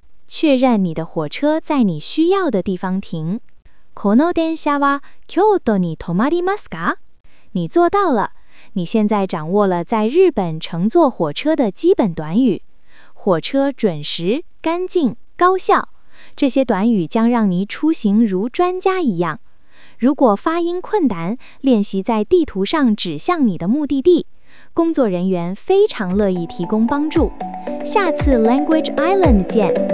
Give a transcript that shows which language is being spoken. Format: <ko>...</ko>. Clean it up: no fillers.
<zh>确认你的火车在你需要的地方停。</zh> <ja>この電車は京都に停まりますか？</ja> <zh>你做到了。你现在掌握了在日本乘坐火车的基本短语。火车准时、干净、高效。这些短语将让你出行如专家一样。如果发音困难，练习在地图上指向你的目的地，工作人员非常乐意提供帮助。下次 Language Island 见。</zh>